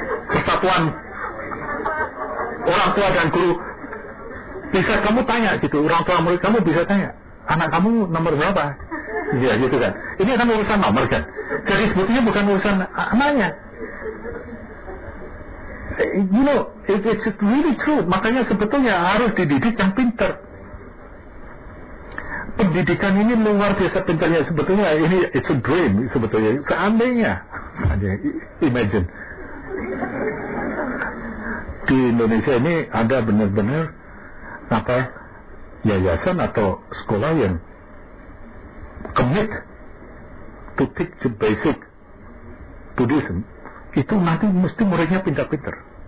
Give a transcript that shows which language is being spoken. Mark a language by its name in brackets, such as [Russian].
[Indonesian] Persatuan orang tua dan guru. Bisa kamu tanya gitu, orang tua murid kamu bisa tanya, anak kamu nomor berapa? Iya gitu kan. Ini kan urusan nomor kan. Jadi sebetulnya bukan urusan anaknya. [English] You know, it's really true. [Indonesian] Makanya sebetulnya harus dididik yang pintar. Pendidikan ini luar biasa pentingnya sebetulnya. Ini [English] it's a dream [Indonesian] sebetulnya. Seandainya imagine di Indonesia ini ada benar-benar apa yayasan atau sekolah yang [English] commit to teach the basic Buddhism, [Indonesian] itu nanti mesti muridnya pintar-pintar.